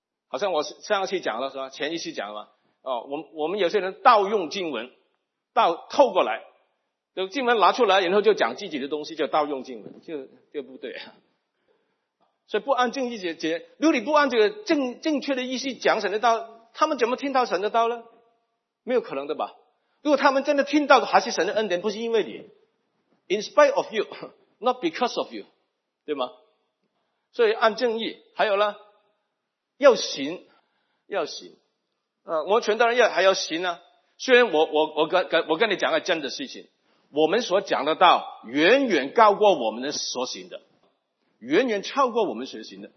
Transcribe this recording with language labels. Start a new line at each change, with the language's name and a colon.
Chinese: 好像我上一次讲了，是吧？前一次讲了嘛？哦，我们有些人盗用经文，盗透过来，就经文拿出来，然后就讲自己的东西，就盗用经文，就不对。所以不按正义解，如果你不按这个正确的意思讲神的道，他们怎么听到神的道呢？没有可能的吧？如果他们真的听到的还是神的恩典，不是因为你，
English: In spite of you, not because of you.
Chinese: 对吗？所以按正义，还有呢，要行，要行。我们全道人要还要行呢、啊。虽然我跟你讲个真的事情，我们所讲的道远远高过我们的所行的，远远超过我们所行的。